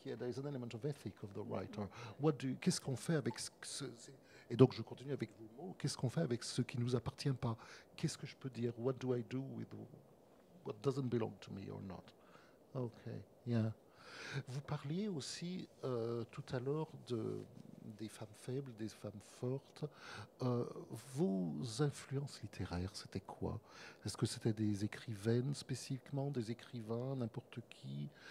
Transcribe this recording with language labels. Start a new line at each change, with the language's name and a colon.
English: Yeah, there is an element of ethic of the writer.
French: Qu'est-ce qu'on fait avec ce... Et donc, je continue avec vos mots. Qu'est-ce qu'on fait avec ce qui ne nous appartient pas? Qu'est-ce que je peux dire?
English: What do I do with what doesn't belong to me or not? OK. Yeah.
French: Vous parliez aussi tout à l'heure des femmes faibles, des femmes fortes. Vos influences littéraires, c'était quoi? Est-ce que c'était des écrivaines spécifiquement, des écrivains, n'importe qui?